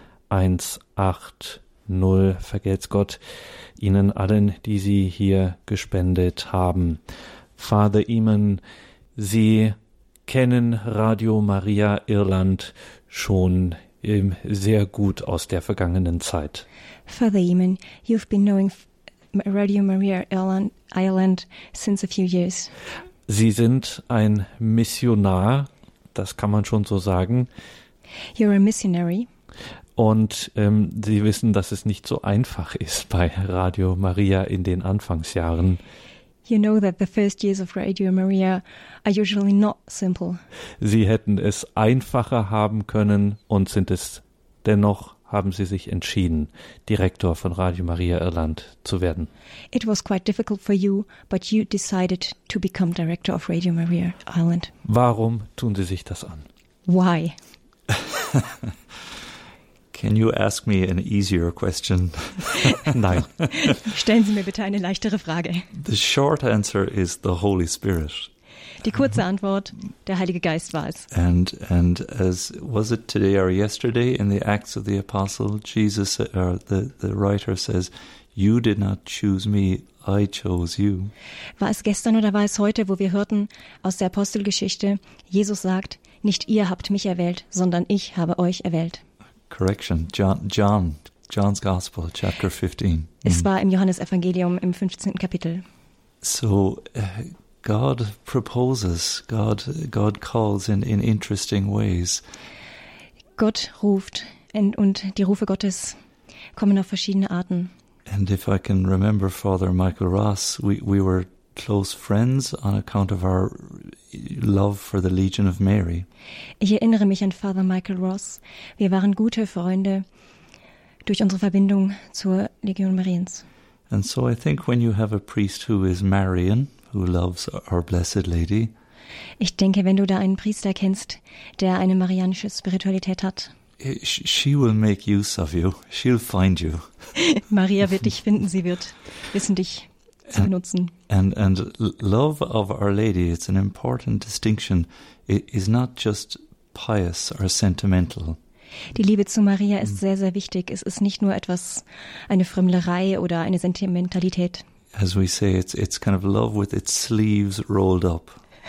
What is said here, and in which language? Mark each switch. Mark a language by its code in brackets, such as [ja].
[de] 08328921180. Vergelt's Gott Ihnen allen, die Sie hier gespendet haben. Father Eamon, Sie kennen Radio Maria Irland schon sehr gut aus der vergangenen Zeit. [en] Father Eamon, you've been knowing Radio Maria Ireland since a few years. [de] Sie sind ein Missionar, das kann man schon so sagen. [en] You're a missionary. [de] Und Sie wissen, dass es nicht so einfach ist bei Radio Maria in den Anfangsjahren. [en] You know that the first years of Radio Maria are usually not simple. [de] Sie hätten es einfacher haben können und sind es dennoch, haben Sie sich entschieden, Direktor von Radio Maria Irland zu werden. [en] It was quite difficult for you, but you decided to become director of Radio Maria Ireland. [de] Warum tun Sie sich das an? [en] Why? Can you ask me an easier question? [de] Nein. Stellen Sie mir bitte eine leichtere Frage. [en] The short answer is the Holy Spirit. [de] Die kurze Antwort, der Heilige Geist war es. [en] And as was it today or yesterday in the Acts of the Apostle, Jesus, or the writer says, you did not choose me, I chose you. [de] War es gestern oder war es heute, wo wir hörten aus der Apostelgeschichte, Jesus sagt, nicht ihr habt mich erwählt, sondern ich habe euch erwählt. [en] Correction, John's Gospel, chapter 15. [de] Es war im Johannesevangelium im 15. Kapitel. [en] So, God proposes, God calls in interesting ways. [de] Gott ruft und die Rufe Gottes kommen auf verschiedene Arten. [en] And if I can remember Father Michael Ross, we were close friends on account of our love for the Legion of Mary. [de] Ich erinnere mich an Father Michael Ross. Wir waren gute Freunde durch unsere Verbindung zur Legion Mariens. [en] And so I think when you have a priest who is Marian, who loves our Blessed Lady. [de] Ich denke, wenn du da einen Priester kennst, der eine marianische Spiritualität hat. [en] She will make use of you. She'll find you. [de] Maria wird dich finden, sie wird wissen, dich zu benutzen. [en] And love of Our Lady, it's an important distinction, it is not just pious or sentimental. [de] Die Liebe zu Maria ist sehr, sehr wichtig. Es ist nicht nur etwas, eine Frömmlerei oder eine Sentimentalität. [en] As we say, it's kind of love with its sleeves rolled up.